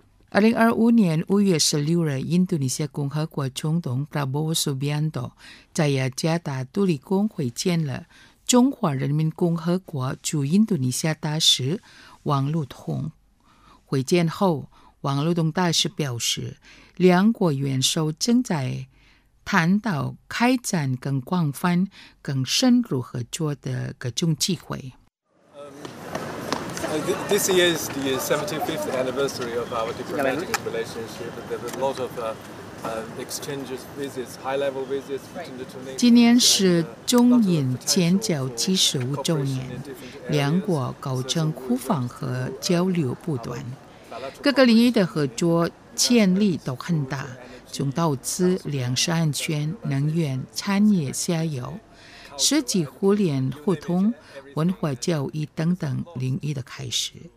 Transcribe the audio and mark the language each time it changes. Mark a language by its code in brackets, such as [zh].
[zh] 2025年5月16日，印度尼西亚共和国总统 Prabowo Subianto 在雅加达杜里宫会见了中华人民共和国驻印度尼西亚大使王禄彤。会见后，王禄彤大使表示，两国元首正在谈到开展更广泛、更深入合作的各种机会。 [en] This year is the 75th anniversary of our diplomatic relationship. There were a lot of exchanges, visits, high-level visits between the two nations. [zh] 今年是中印建交75周年，两国高层互访和交流不断，各个领域的合作潜力都很大，从投资、粮食安全、能源、产业、下游、实际互联互通、文化教育等等领域的开始。